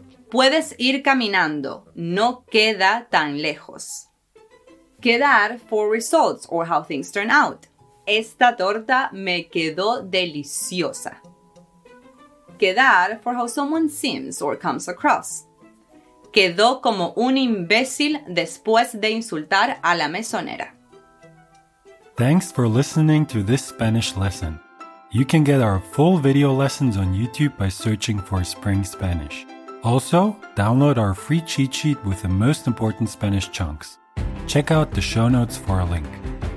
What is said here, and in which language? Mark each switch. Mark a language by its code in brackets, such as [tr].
[es] Puedes ir caminando, no queda tan lejos. [en] Quedar for results or how things turn out. [es] Esta torta me quedó deliciosa. [en] Quedar for how someone seems or comes across. [es] Quedó como un imbécil después de insultar a la mesonera. [en] Thanks for listening to this Spanish lesson. You can get our full video lessons on YouTube by searching for Spring Spanish. Also, download our free cheat sheet with the most important Spanish chunks. Check out the show notes for a link.